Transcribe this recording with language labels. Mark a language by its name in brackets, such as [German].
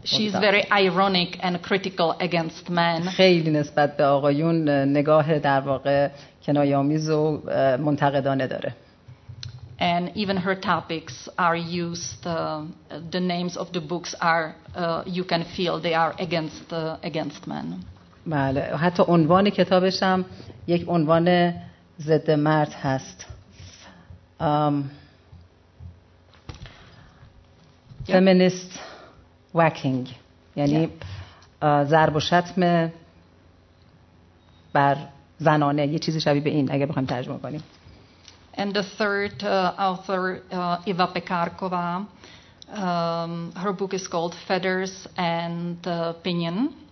[English] She's very ironic and critical against men. [Persian] خیلی نسبت به آقایون نگاه در واقع کنایه‌آمیز و منتقدانه داره [English] And even her topics are used, the names of the books are, you can feel they are against against men. [Persian] بله حتی عنوان کتابش هم یک عنوان ضد مرد هست. [English] Feminist whacking [Persian] یعنی ضرب و شتم بر زنانه یه چیزی شبیه به این اگه بخوایم ترجمه کنیم. [English] And the third author, Iva Pekárková, her book is called Feathers and Pinion.